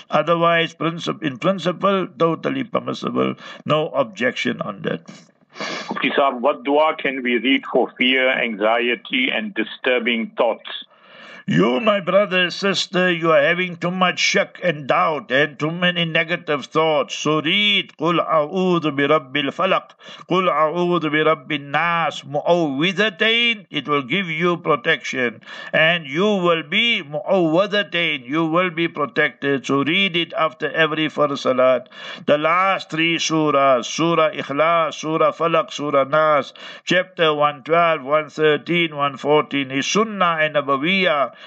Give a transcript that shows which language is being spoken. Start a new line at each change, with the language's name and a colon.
English: Otherwise, in principle, totally permissible. No objection on that. Mufti Sahib, what dua can we read for fear, anxiety, and disturbing thoughts? You, my brother, sister, you are having too much shak and doubt and too many negative thoughts. So read,
Arabic: قُلْ أَعُوذُ بِرَبِّ الْفَلَقِ قُلْ أَعُوذُ بِرَبِّ النَّاسِ مُؤَوِّذَتَيْنِ.
English: It will give you protection. And you will be مُؤَوَّذَتَيْنِ. You will be protected. So read it after every first salat. The last three surahs, Surah Ikhlas, Surah Falak, Surah Nas, chapter 112, 113, 114, is Sunnah and Nabawiyyah.